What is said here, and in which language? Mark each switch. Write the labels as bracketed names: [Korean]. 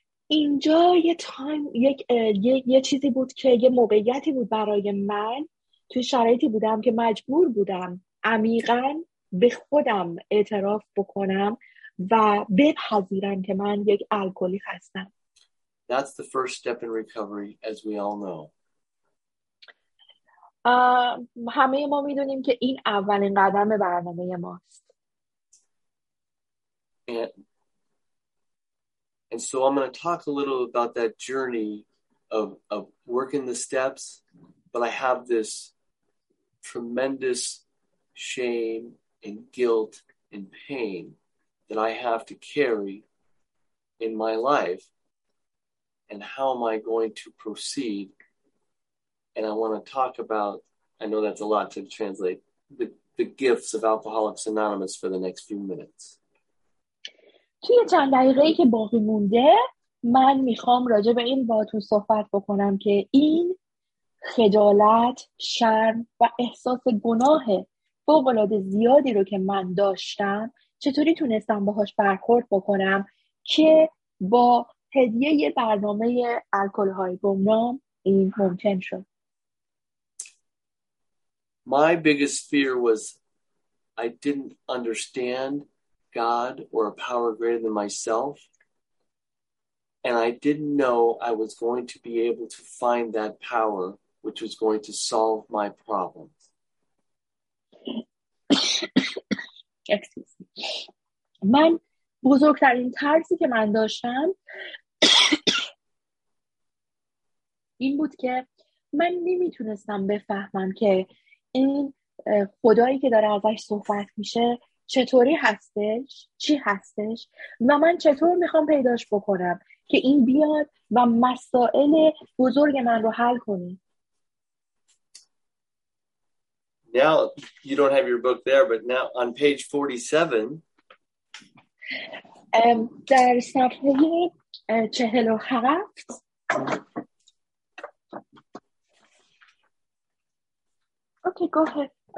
[Persian] اینجا یه تایم یه چیزی بود که یه موقعیتی بود برای من، توی شرایطی بودم که مجبور بودم عمیقا به خودم اعتراف بکنم و بپذیرم که من یک الکلی هستم. [English] That's the first step in recovery, as we all know. [Persian] همه ما میدونیم که این اولین قدم برنامه ماست. [English] And so I'm going to talk a little about that journey of working the steps, but I have this tremendous shame and guilt and pain that I have to carry in my life. And how am I going to proceed? And I want to talk about, I know that's a lot to translate, the gifts of Alcoholics Anonymous for the next few minutes. [Persian] توی چند دقیقه که باقی مونده من میخوام راجع به این باهاتون صحبت بکنم که این خجالت، شرم و احساس گناه فوق‌العاده زیادی رو که من داشتم چطوری تونستم باهاش برخورد بکنم که با هدیه برنامه الکل‌های گمنام این ممکن شد. [English] My biggest fear was I didn't understand God or a power greater than myself, and I didn't know I was going to be able to find that power which was going to solve my problems. Excuse me. [Persian] من بزرگترین ترسی که من داشتم این بود که من نمیتونستم بفهمم که این خدایی که داره ازش صحبت میشه چطوری هستش، چی هستش، و من چطور میخوام پیداش بکنم که این بیاد و مسائل بزرگ من رو حل کنه. [English] Now you don't have your book there, but now on page 47 [Persian] در صفحه [English] 47 Okay, go ahead.